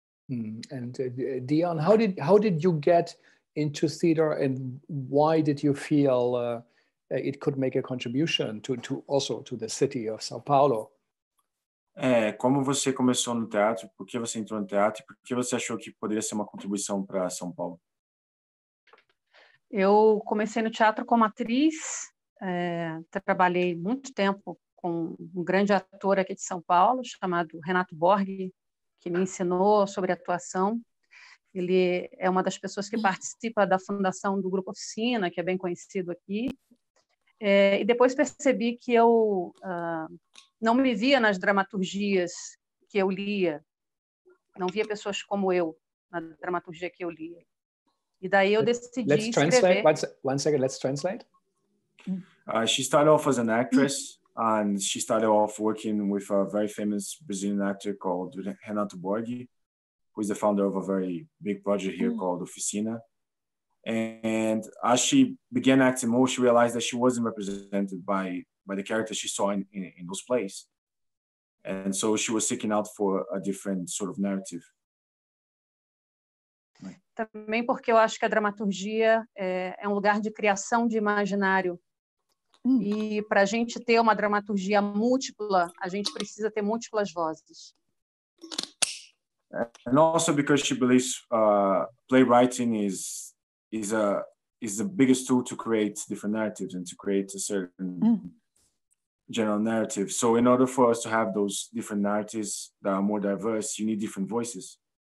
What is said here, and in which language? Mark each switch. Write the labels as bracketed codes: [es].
[en] And Dion, how did you get into theater, and why did you feel it could make a contribution to also to the city of São Paulo? [pt] É, como você começou no teatro? Por que você entrou no teatro? Por que você achou que poderia ser uma contribuição para São Paulo? Eu comecei no teatro como atriz, trabalhei muito tempo com um grande ator aqui de São Paulo, chamado Renato Borg, que me ensinou sobre atuação. Ele é uma das pessoas que participa da fundação do Grupo Oficina, que é bem conhecido aqui. É, e depois percebi que eu não me via nas dramaturgias que eu lia, não via pessoas como eu na dramaturgia que eu lia. E daí eu decidi escrever. [en] One second, let's translate. She started off as an actress, and she started off working with a very famous Brazilian actor called Renato Borghi, who is the founder of a very big project here called Oficina. And as she began acting more, she realized that she wasn't represented by the character she saw in those plays. And so she was seeking out for a different sort of narrative. [pt] Também porque eu acho que a dramaturgia é um lugar de criação de imaginário. E para a gente ter uma dramaturgia múltipla, a gente precisa ter múltiplas vozes. [en] And also because she believes playwriting is the biggest tool to create different narratives and to create a certain general narrative. So in order for us to have those different narratives that are more diverse, you need different voices.